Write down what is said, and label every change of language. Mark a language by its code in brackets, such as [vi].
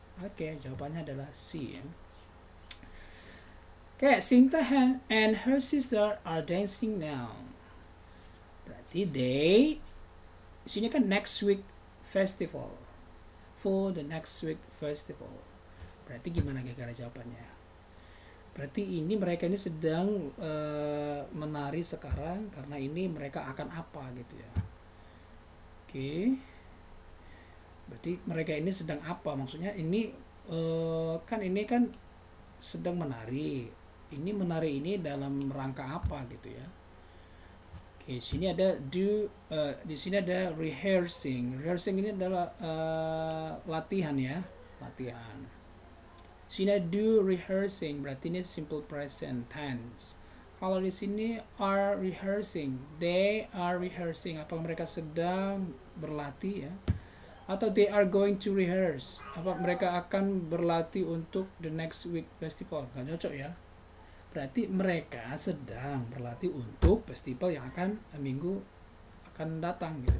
[id] Oke, jawabannya adalah C ya. [en] Oke, Sinta and her sister are dancing now. Berarti they, sini kan next week festival, for the next week festival. [id] Berarti gimana gara-gara jawabannya? Berarti ini mereka ini sedang menari sekarang karena ini mereka akan apa gitu ya. Oke. Berarti mereka ini sedang apa? Maksudnya ini kan ini kan sedang menari. Ini menari ini dalam rangka apa gitu ya. Oke, sini ada do di sini ada rehearsing. Rehearsing ini adalah latihan ya, latihan. Sini do rehearsing berarti ini simple present tense. [en] Kalau di sini are rehearsing, they are rehearsing. [id] Apa mereka sedang berlatih ya? Atau [en] they are going to rehearse. [id] Apa mereka akan berlatih untuk the next week festival? Gak cocok ya? Berarti mereka sedang berlatih untuk festival yang akan minggu akan datang. Gitu.